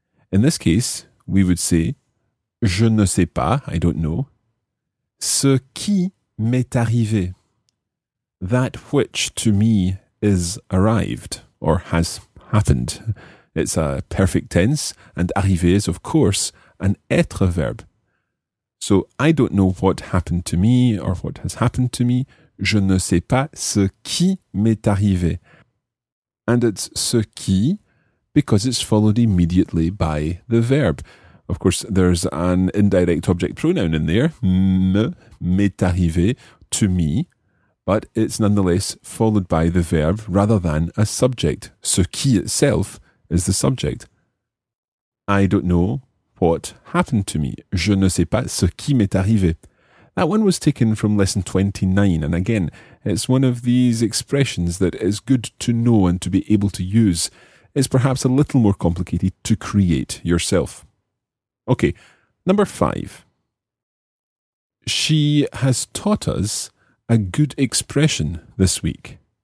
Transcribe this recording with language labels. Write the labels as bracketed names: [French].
[English] In this case, we would say, [French] je ne sais pas, [English] I don't know, [French] ce qui m'est arrivé, [English] that which to me is arrived or has happened. It's a perfect tense and arriver is, of course, an être verb. So, I don't know what happened to me or what has happened to me. [French] Je ne sais pas ce qui m'est arrivé. [English] And it's ce qui because it's followed immediately by the verb. Of course, there's an indirect object pronoun in there. Me, m'est arrivé, to me. But it's nonetheless followed by the verb rather than a subject. Ce qui itself is the subject. I don't know what happened to me. [French] Je ne sais pas ce qui m'est arrivé. [English] That one was taken from lesson 29. And again, it's one of these expressions that is good to know and to be able to use. It's perhaps a little more complicated to create yourself. Okay, number 5. She has taught us a good expression this week.